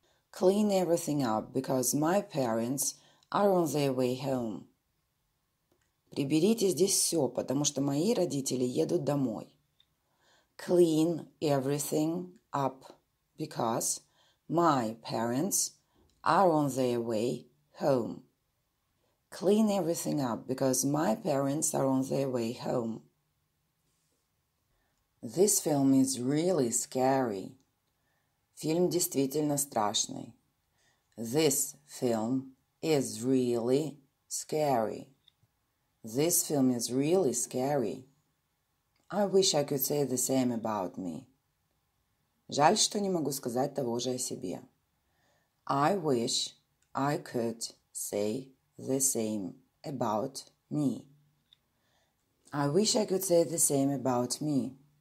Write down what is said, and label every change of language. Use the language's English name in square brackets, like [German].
[English] Clean everything up, because my parents are on their way home. [Russian] Приберите здесь все, потому что мои родители едут домой. [English] Clean everything up, because my parents are on their way home. Clean everything up, because my parents are on their way home. This film is really scary. [Russian] Фильм действительно страшный. [English] This film is really scary. This film is really scary. I wish I could say the same about me. [Russian] Жаль, что не могу сказать того же о себе. [English] I wish I could say the same about me. I wish I could say the same about me.